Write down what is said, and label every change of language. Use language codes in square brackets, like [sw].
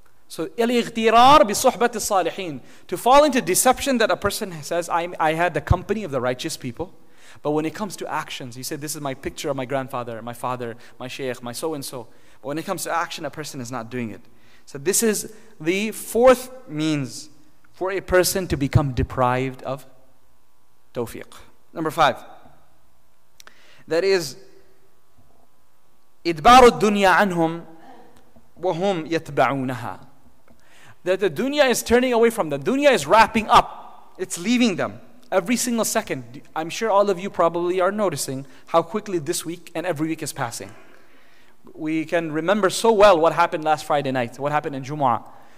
[en] So [ar] الاغترار بصحبة الصالحين, [en] to fall into deception that a person says, I had the company of the righteous people, but when it comes to actions, you say, this is my picture of my grandfather, my father, my sheikh, my so-and-so. But when it comes to action, a person is not doing it. So this is the fourth means for a person to become deprived of tawfiq. Number five. That is, [ar] إدبار الدنيا عنهم وهم يتبعونها. [en] That the dunya is turning away from them. Dunya is wrapping up. It's leaving them. Every single second. I'm sure all of you probably are noticing how quickly this week and every week is passing. We can remember so well what happened last Friday night, what happened in Jummah.